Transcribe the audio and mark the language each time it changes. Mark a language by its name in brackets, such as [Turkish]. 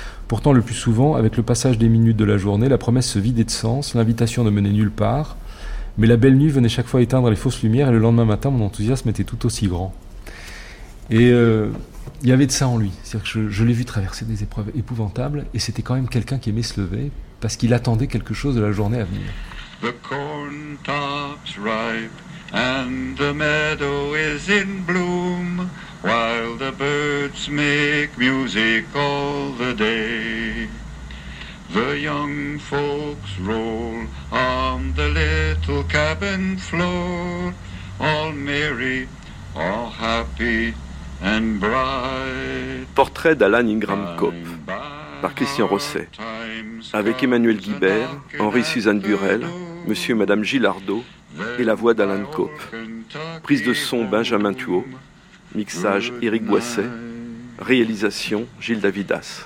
[French] Pourtant, le plus souvent, avec le passage des minutes de la journée, la promesse se vidait de sens, l'invitation ne menait nulle part. Mais la belle nuit venait chaque fois éteindre les fausses lumières et le lendemain matin, mon enthousiasme était tout aussi grand. » Et il y avait de ça en lui. C'est-à-dire que je l'ai vu traverser des épreuves épouvantables et c'était quand même quelqu'un qui aimait se lever parce qu'il attendait quelque chose de la journée à venir. [English] The corn tops ripe and the meadow is in bloom while the birds make music all the day. The young folks roll on the little cabin floor, all merry, all happy and bright. [French] Portrait d'Alan Ingram Cope, par Christian Rosset, avec Emmanuel Guibert, Henri-Suzanne Burel, Monsieur et Madame Gillardot, et la voix d'Alan Cope. Prise de son Benjamin Thuot, mixage Éric Boisset. Réalisation Gilles Davidas.